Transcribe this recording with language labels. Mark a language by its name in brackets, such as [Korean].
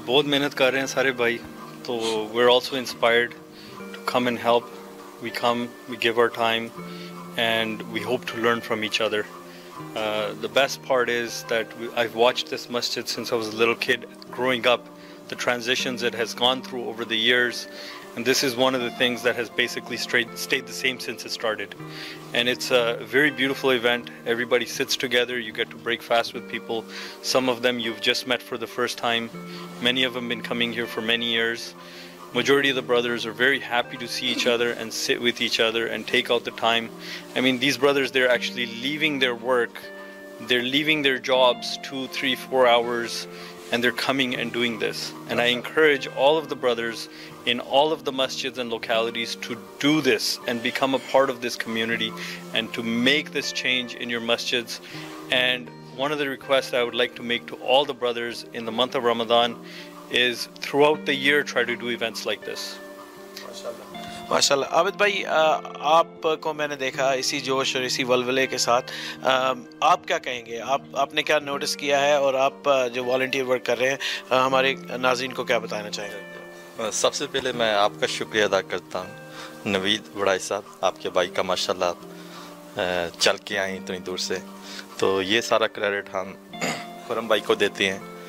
[Urdu] بہت محنت کر رہے ہیں سارے بھائی، تو [English] We are also inspired to come and help, we come, we give our time, and we hope to learn from each other. The best part is that I have watched this مسجد since I was a little kid growing up, the transitions it has gone through over the years, and this is one of the things that has basically stayed the same since it started. And it's a very beautiful event. Everybody sits together, you get to break fast with people, some of them you've just met for the first time, many of them been coming here for many years. Majority of the brothers are very happy to see each other and sit with each other and take out the time. I mean, these brothers, they're actually leaving their work, they're leaving their jobs 2, 3, 4 hours, and they're coming and doing this. And I encourage all of the brothers in all of the masjids and localities to do this and become a part of this community and to make this change in your masjids. And one of the requests I would like to make to all the brothers in the month of Ramadan is throughout the year try to do events like this. [Urdu] ماشاء اللہ، عابد بھائی، آپ کو میں نے دیکھا اسی جوش اور اسی ولولے کے ساتھ، آپ کیا کہیں گے؟ آپ نے کیا نوٹس کیا ہے، اور آپ جو والنٹیئر ورک کر رہے ہیں، ہمارے ناظرین کو کیا بتانا چاہیں گے؟ سب سے پہلے میں آپ کا شکریہ ادا کرتا ہوں، نوید وڑائی صاحب، آپ کے بھائی کا، ماشاء اللہ آپ چل کے آئیں اتنی دور سے، تو یہ سارا کریڈٹ ہم خرم بھائی کو دیتے ہیں،